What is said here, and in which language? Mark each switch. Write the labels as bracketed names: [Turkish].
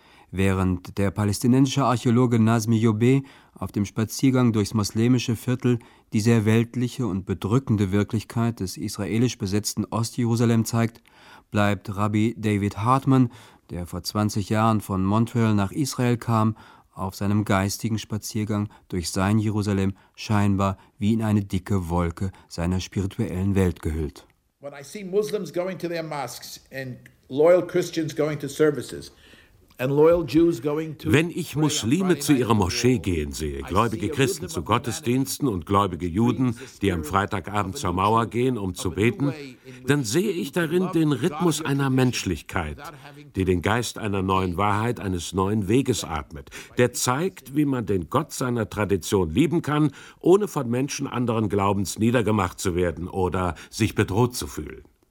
[German] Während der palästinensische Archäologe Nazmi Yobeh auf dem Spaziergang durchs muslimische Viertel die sehr weltliche und bedrückende Wirklichkeit des israelisch besetzten Ostjerusalem zeigt, bleibt Rabbi David Hartman, der vor 20 Jahren von Montreal nach Israel kam, auf seinem geistigen Spaziergang durch sein Jerusalem scheinbar wie in eine dicke Wolke seiner spirituellen Welt gehüllt. [English] When I see Muslims going to their mosques and loyal Christians going to services, [German] wenn ich Muslime zu ihrer Moschee gehen sehe, gläubige Christen zu Gottesdiensten und gläubige Juden, die am Freitagabend zur Mauer gehen, um zu beten, dann sehe ich darin den Rhythmus einer Menschlichkeit, die den Geist einer neuen Wahrheit, eines neuen Weges atmet, der zeigt, wie man den Gott seiner Tradition lieben kann, ohne von Menschen anderen Glaubens niedergemacht zu werden oder sich bedroht zu fühlen.